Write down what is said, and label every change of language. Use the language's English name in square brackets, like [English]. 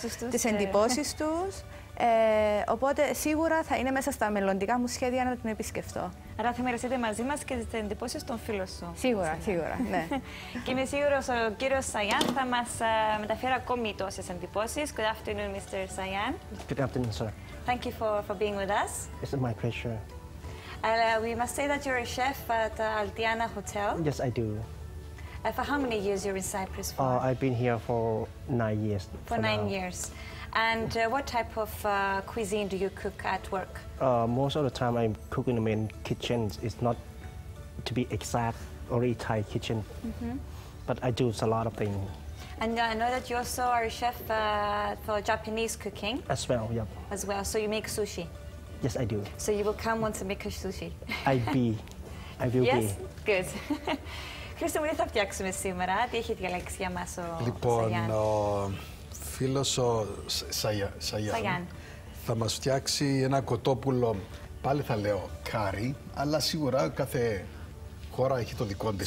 [Greek] τις εντυπώσεις τους. Οπότε σίγουρα θα είναι μέσα στα μελλοντικά μου σχέδια να την επισκεφτώ. Άρα θα μοιραστείτε μαζί μας και τις εντυπώσεις των φίλων σου. Σίγουρα, ναι. Και είμαι σίγουρος ο κύριος Σαϊάν θα μας μεταφέρει ακόμη τόσες εντυπώσεις. [English] Good afternoon, Mr. Σαϊάν. Good afternoon, sir. Thank you for being with us. It's my pleasure. We must say that you're a chef at Altiana Hotel. Yes, I do. For how many years you're in Cyprus for? I've been here for 9 years. For nine years. And what type of cuisine do you cook at work? Most of the time I cook in the main kitchen. It's not to be exact, only Thai kitchen. Mm-hmm. But I do a lot of things. And I know that you also are a chef for Japanese cooking. As well, yep. As well, so you make sushi. Yes, I do. So you will come once and make a sushi. I will be. Yes, good. [Greek] Χρήστο μου, τι θα φτιάξουμε σήμερα, τι έχει διαλέξει για μας ο Σαϊάν? Λοιπόν, ο φίλος ο Σαϊάν θα μας φτιάξει ένα κοτόπουλο, πάλι θα λέω κάρι, αλλά σίγουρα κάθε χώρα έχει το δικό της.